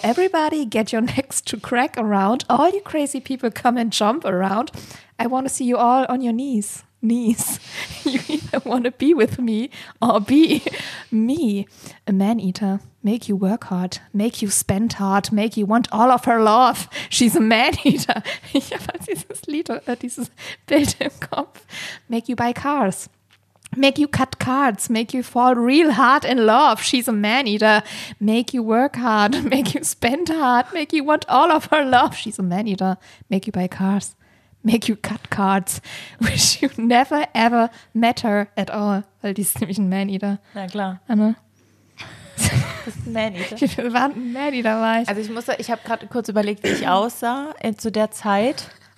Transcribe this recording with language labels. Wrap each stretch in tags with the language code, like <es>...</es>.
<en>Everybody get your necks to crack around. All you crazy people come and jump around. I want to see you all on your knees. Knees. You either want to be with me or be me. A man eater. Make you work hard. Make you spend hard. Make you want all of her love. She's a man eater.</en> <de>Ich habe halt dieses Lied, dieses Bild im Kopf.</de> <en>Make you buy cars. Make you cut cards. Make you fall real hard in love. She's a man eater. Make you work hard. Make you spend hard. Make you want all of her love. She's a man eater. Make you buy cars. Make you cut cards. Wish you never ever met her at all.</en> <de>Weil die ist nämlich ein Man-Eater. Na klar. Anne. Das ist ein Man-Eater. Wie viel war ein Man-Eater war ich? Also ich habe gerade kurz überlegt, wie ich aussah zu der Zeit.</de>